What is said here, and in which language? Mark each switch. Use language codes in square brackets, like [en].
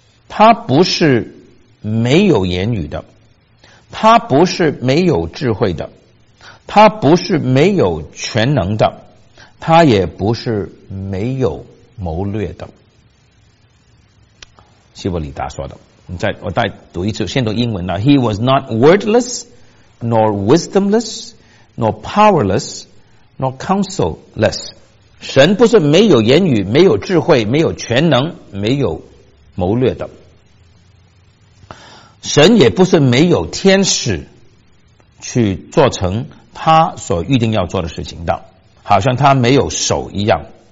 [zh] 他不是没有言语的，他不是没有智慧的，他不是没有全能的，他也不是没有谋略的。希伯里达说的，我再读一次，先读英文了。 [en] He was not wordless, nor wisdomless, nor powerless, nor counselless. [zh] 神不是没有言语、没有智慧、没有全能、没有谋略的。神也不是没有天使去做成他所预定要做的事情的，好像他没有手一样。